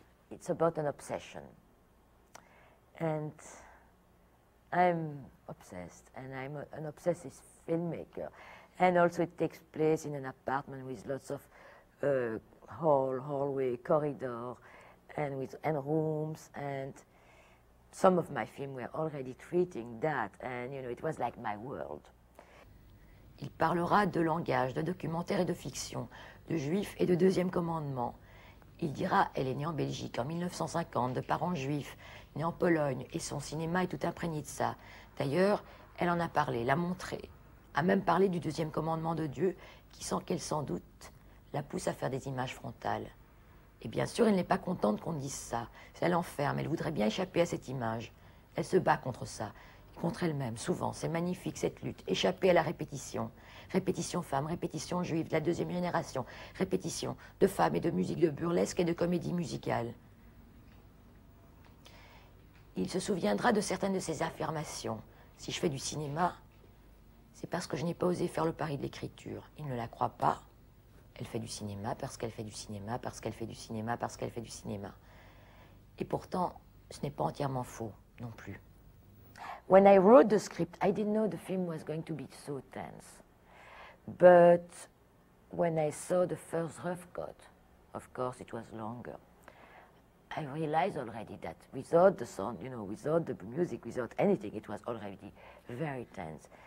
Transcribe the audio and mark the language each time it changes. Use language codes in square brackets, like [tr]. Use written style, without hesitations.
[en] It's about an obsession. And I'm obsessed, and I'm an obsessive filmmaker. And also it takes place in an apartment with lots of hallway, corridor, and rooms. And some of my films were already treating that, and you know, it was like my world. [fr] Il parlera de langage, de documentaire et de fiction, de juif et de deuxième commandement. Il dira, elle est née en Belgique en 1950, de parents juifs, née en Pologne, et son cinéma est tout imprégné de ça. D'ailleurs, elle en a parlé, l'a montré, a même parlé du deuxième commandement de Dieu, qui, sans qu'elle s'en doute, la pousse à faire des images frontales. Et bien sûr, elle n'est pas contente qu'on dise ça. Ça l'enferme, elle voudrait bien échapper à cette image. Elle se bat contre ça, contre elle-même, souvent. C'est magnifique, cette lutte, échapper à la répétition. Répétition femme, répétition juive, de la deuxième génération, répétition de femmes et de musique de burlesque et de comédie musicale. Il se souviendra de certaines de ses affirmations. Si je fais du cinéma, c'est parce que je n'ai pas osé faire le pari de l'écriture. Il ne la croit pas. Elle fait du cinéma parce qu'elle fait du cinéma, parce qu'elle fait du cinéma, parce qu'elle fait du cinéma. Et pourtant, ce n'est pas entièrement faux non plus. [en] When I wrote the script, I didn't know the film was going to be so tense. But when I saw the first rough cut, of course it was longer. I realized already that without the sound, you know, without the music, without anything, it was already very tense.